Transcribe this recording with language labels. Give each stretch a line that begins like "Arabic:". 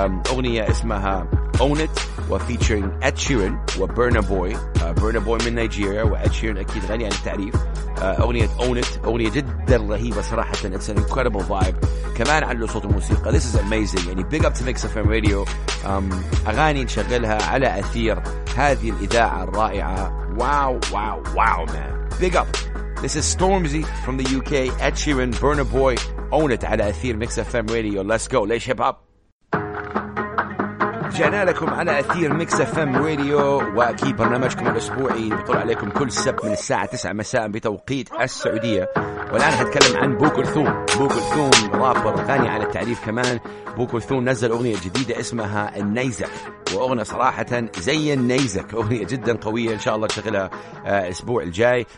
Arabic: أغنية اسمها Own It وفيتشرين Ed Sheeran وبرنا بوي، برنا بوي من نيجيريا، وEd Sheeran أكيد غني عن التعريف. أغنية Own It أغنية جدا رهيبة صراحة،
English: It's an incredible vibe،
Arabic: كمان على صوت الموسيقى
English: This is amazing،
Arabic: يعني
English: Big Up to Mix FM Radio،
Arabic: أغاني نشغلها على أثير هذه الإذاعة الرائعة. واو واو واو
English: man، Big Up. This is Stormzy from the UK, Ed Sheeran, Burna Boy, Own It
Arabic: على أثير
English: Mix FM Radio. Let's go, Laish Hip Hop.
Arabic: جانا لكم على أثير Mix FM Radio، وأكيد برنامجكم الأسبوعي بطلع عليكم كل سبت من الساعة 9 مساء بتوقيت السعودية. والآن هتكلم عن بوكلثوم. بوكلثوم رابر غني على التعريف كمان. بوكلثوم نزل أغنية جديدة اسمها النيزك، وأغنية صراحة زي النيزك، أغنية جدا قوية، إن شاء الله نشغلها الأسبوع الجاي.